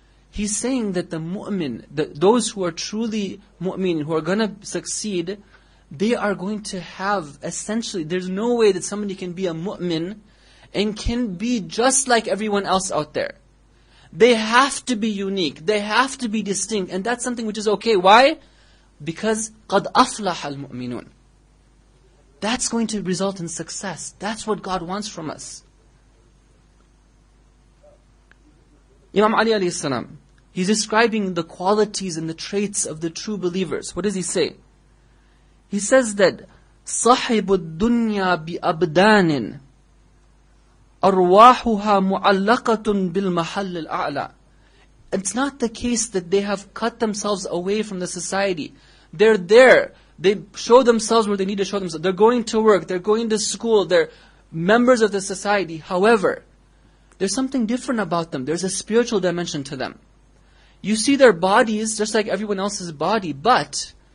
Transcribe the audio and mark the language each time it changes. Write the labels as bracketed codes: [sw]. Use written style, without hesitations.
[en] He's saying that the mu'min, those who are truly mu'min, who are going to succeed, they are going to have, essentially, there's no way that somebody can be a mu'min and can be just like everyone else out there. They have to be unique. They have to be distinct. And that's something which is okay. Why? Because [ar] قَدْ أَفْلَحَ الْمُؤْمِنُونَ. [en] That's going to result in success. That's what God wants from us. Imam Ali alayhi salam, he's describing the qualities and the traits of the true believers. What does he say? He says that [ar] صاحب الدنيا بأبدان أرواحها معلقة بالمحل الأعلى. [en] It's not the case that they have cut themselves away from the society. They're there. They show themselves where they need to show themselves. They're going to work. They're going to school. They're members of the society. However, there's something different about them. There's a spiritual dimension to them. You see their bodies just like everyone else's body, but